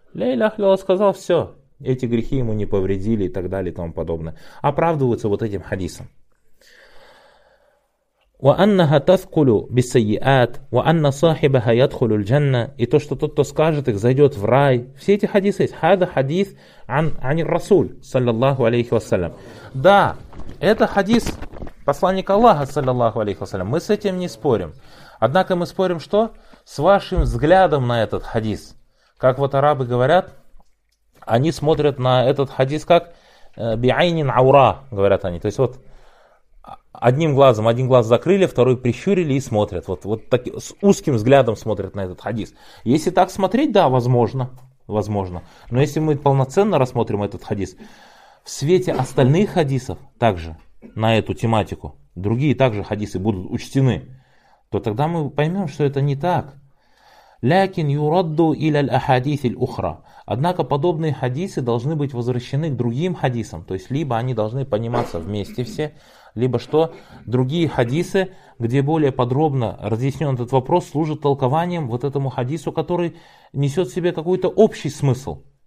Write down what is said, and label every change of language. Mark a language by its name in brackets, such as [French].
[Russian] «Ля иляха илляллах» сказал, все, эти грехи ему не повредили и так далее и тому подобное. Оправдываются вот этим хадисом. [Arabic] وَأَنَّهَا تَثْقُلُ بِالسَّيِّئَاتِ وَأَنَّ صَاحِبَهَا يَدْخُلُ الْجَنَّةِ. [Russian] И то, что тот, кто скажет их, зайдет в рай. Все эти хадисы есть. [Arabic] Хаза хадис عن الرسول صلى الله عليه وسلم. [Russian] Да, это хадис посланника Аллаха [Arabic] صلى الله عليه وسلم. [Russian] Мы с этим не спорим. Однако мы спорим, что? С вашим взглядом на этот хадис. Как вот арабы говорят, они смотрят на этот хадис как [Arabic] بِعَيْنٍ عَوْرَى, [Russian] говорят они. То есть вот одним глазом, один глаз закрыли, второй прищурили и смотрят. Вот так, с узким взглядом смотрят на этот хадис. Если так смотреть, да, возможно. Возможно. Но если мы полноценно рассмотрим этот хадис, в свете остальных хадисов также на эту тематику, другие также хадисы будут учтены, то тогда мы поймем, что это не так. [Arabic] لكن يرد إلى الأحاديث الأخرى. [Russian] Однако подобные хадисы должны быть возвращены к другим хадисам. То есть либо они должны пониматься вместе все, либо что другие хадисы, где более подробно разъяснен этот вопрос, служат толкованием вот этому хадису, который несет в себе какой-то общий смысл.